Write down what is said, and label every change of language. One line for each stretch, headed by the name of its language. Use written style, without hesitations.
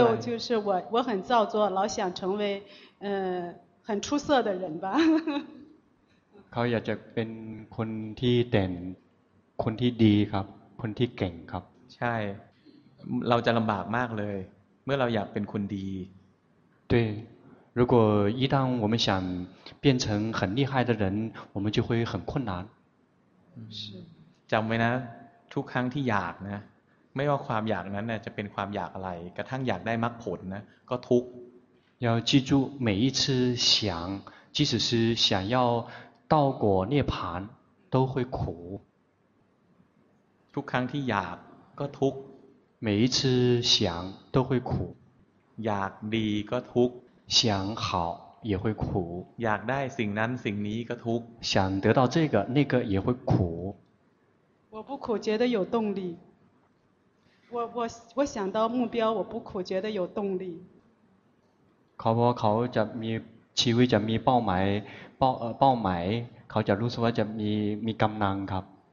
Chinese: ไร再有就是我很造作老想成为很出色的人吧
Thai: เขาอยากจะเป็นคนที่เด่นคนที่ดีครับคนที่เก่งครับ ใช่เราจะลำบากมากเลยเมื่อเราอยากเป็นคนดี
Chinese: 对如果一旦我们想变成很厉害的人我们就会很困难
Thai: จำไว้นะทุกครั้งที่อยากนะไม่ว่าความอยากนั้นจะเป็นความอยากอะไรกระทั่งอยากได้มรรคผลนะก็ทุกข์
Chinese: 要记住每一次想即使是想要到果涅槃都会苦
Thai: ทุกครั้งที่อยากก็ทุกข์
Chinese: 每一次想都会苦
Thai: อยากดีก็ทุกข์
Chinese: 想好也会苦
Thai: อยากได้สิ่งนั้นสิ่งนี้ก็ทุกข์
Chinese: 想得到这个那个也会苦我不苦觉得有动力我想到目标我不苦觉得有动力
Thai: เขาจะมีชีวิตจะมีเป้าหมายเขาจะรู้สึกว่าจะมีกำลังครับ